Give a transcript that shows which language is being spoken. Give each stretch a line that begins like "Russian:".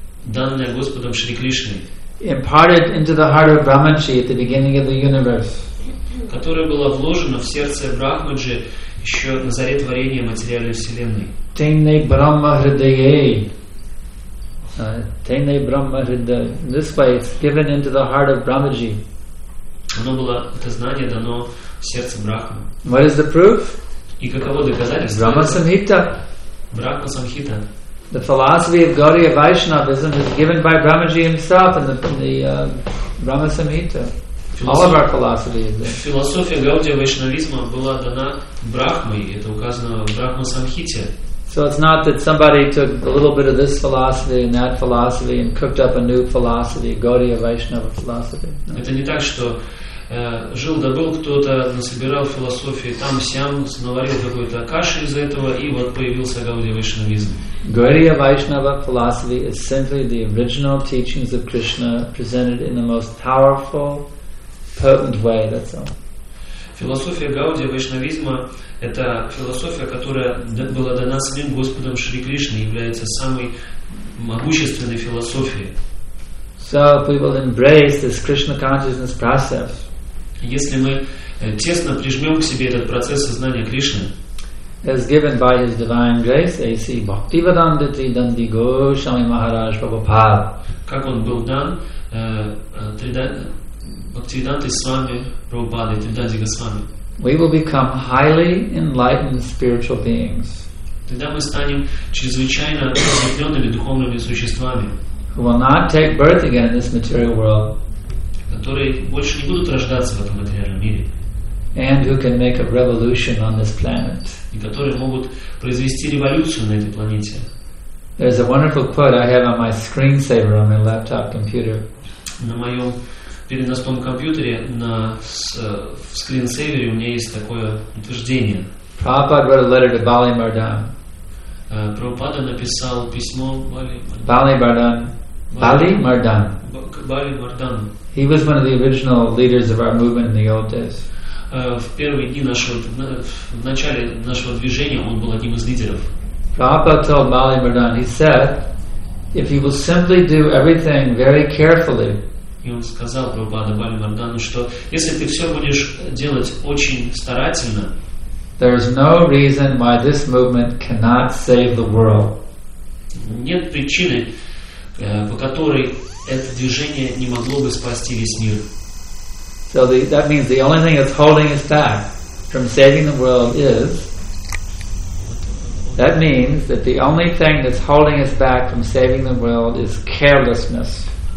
Russian: данная Господом Шри Кришной,
English: imparted into the heart of Brahmachari at the beginning of the universe,
Russian: которая была вложена в сердце Брахмаджи еще на заре творения материальной вселенной.
Sanskrit: Тейне Брахма Хридае. Тейне Брахма Хридае.
English: This way it's given into the heart of Brahmachari.
Russian: оно было, это знание дано в сердце Брахмы.
English: What is the proof?
Russian: И каково доказательство?
English: Brahma Samhita. Brahma Samhita. The philosophy of Gaudiya Vaishnavism is given by Brahmaji himself in the Brahma Samhita. All of our philosophy is there.
Russian: Философия Гаудия Вайшнавизма была дана Брахмой, это указано в Брахма Самхите.
English: So it's not that somebody took a little bit of this philosophy and that philosophy and cooked up a new philosophy, Gaudiya Vaishnava philosophy.
Russian: Это не так, что жил да был кто-то, насобирал философии там сям, наварил какую-то кашу из этого, и вот появился Гаудия Вайшнавизм.
English: Gaudiya Vaishnava philosophy is simply the original teachings of Krishna presented in the most powerful, potent way. That's all.
Russian: Философия Гаудия Вайшнавизма — это философия, которая была дана самим Господом Шри Кришной, является самой могущественной философией.
English: So we will embrace this Krishna consciousness process.
Russian: Если мы тесно прижмем к себе этот процесс сознания Кришны,
English: as given by His Divine Grace, A.C. Bhaktivedanta Tridanti Goswami Maharaj Prabhupada.
Russian: Как он был дан, Bhaktivedanta Swami Prabhupada, Tridanti Goswami.
English: We will become highly enlightened spiritual beings.
Russian: Тогда мы станем чрезвычайно просветленными духовными существами.
English: Who will not take birth again in this material world.
Russian: Которые больше не будут рождаться в этом материальном мире.
English: And who can make a revolution on this planet.
Russian: И которые могут произвести революцию на этой планете.
English: There's a wonderful quote I have on my screensaver on my laptop computer.
Russian: На моем переносном компьютере, в скринсейвере у меня есть такое утверждение.
English: Prabhupada wrote a letter to Bali Mardan.
Russian: Prabhupada написал письмо Бали Мардан.
English: Bali Mardan. Bali Mardan. Bali Mardan. He was one of the original leaders of our movement in the old days.
Russian: В первые дни в начале нашего движения он был одним из лидеров.
English: Prabhupada told Bali Mardan, he said, if you will simply do everything very carefully.
Russian: И он сказал Прабхупаде Бали Мардану, что если ты все будешь делать очень старательно,
English: there is no reason why this movement cannot save the world.
Russian: Нет причины, по которой это движение не могло бы спасти весь мир.
English: So that means the only thing that's holding us back from saving the world is. That means that the only thing that's holding us back from saving the world is carelessness.